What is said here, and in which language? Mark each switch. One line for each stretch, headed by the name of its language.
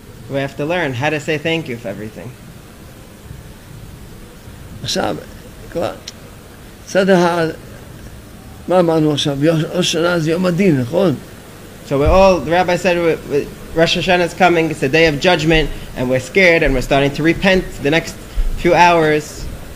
English: We have to learn how to say thank you for everything.
Hebrew: עכשיו, כבר, צד אחד, מה אמרנו עכשיו? ראש שנה זה יום הדין, נכון?
English: So we all, the rabbi said, Rosh Hashanah is coming, it's a day of judgment, and we're scared, and we're starting to repent the next few hours.